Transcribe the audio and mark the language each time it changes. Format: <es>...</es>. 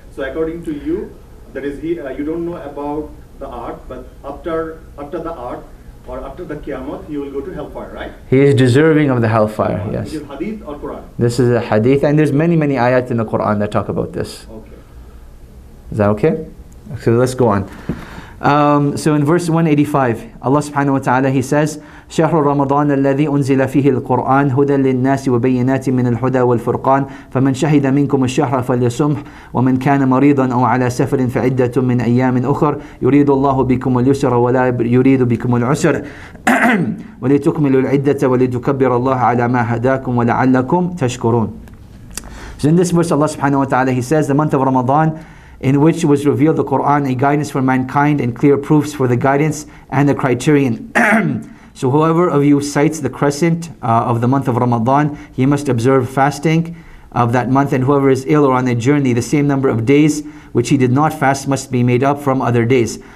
<en>So according to you, that is, you don't know about the art, but after the art, or after the qiyamah, he will go to hellfire, right? He is deserving of the hellfire, yes. Is it hadith or Quran? This is a hadith, and there's many, many ayat in the Quran that talk about this. Okay. Is that okay? So let's go on. So in verse 185, Allah subhanahu wa ta'ala, He says,</en> <ar>شهر رمضان الذي أنزل فيه القرآن هدى للناس وبينات من الهدى والفرقان فمن شهد منكم الشهر فليصمه ومن كان مريضا أو على سفر فعدة من أيام أخر يريد الله بكم اليسر ولا يريد بكم العسر ولتكملوا العدة ولتكبر الله على ما هداكم ولعلكم تشكرون.</ar> <en>So in this verse, Allah subhanahu wa ta'ala, He says, the month of Ramadan, in which was revealed the Quran, a guidance for mankind and clear proofs for the guidance and the criterion. So whoever of you cites the crescent of the month of Ramadan, he must observe fasting of that month, and whoever is ill or on a journey, the same number of days which he did not fast must be made up from other days.</en>